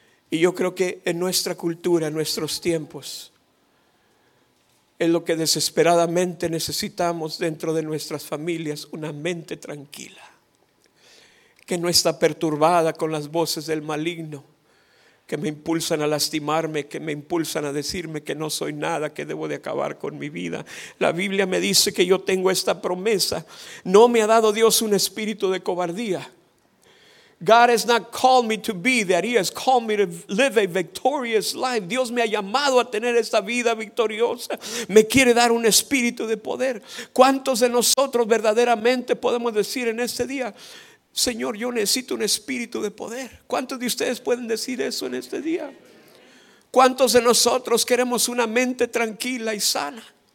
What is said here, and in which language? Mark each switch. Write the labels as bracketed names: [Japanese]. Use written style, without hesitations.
[Spanish] Y yo creo que en nuestra cultura, en nuestros tiempos, es lo que desesperadamente necesitamos dentro de nuestras familias, una mente tranquila, que no está perturbada con las voces del maligno, que me impulsan a lastimarme, que me impulsan a decirme que no soy nada, que debo de acabar con mi vida. La Biblia me dice que yo tengo esta promesa. No me ha dado Dios un espíritu de cobardía. [English] God has not called me to be that. He has called me to live a victorious life. [Spanish] Dios me ha llamado a tener esta vida victoriosa. Me quiere dar un espíritu de poder. ¿Cuántos de nosotros verdaderamente podemos decir en este día, Señor, yo necesito un espíritu de poder? ¿Cuántos de ustedes pueden decir eso en este día? ¿Cuántos de nosotros queremos una mente tranquila y sana?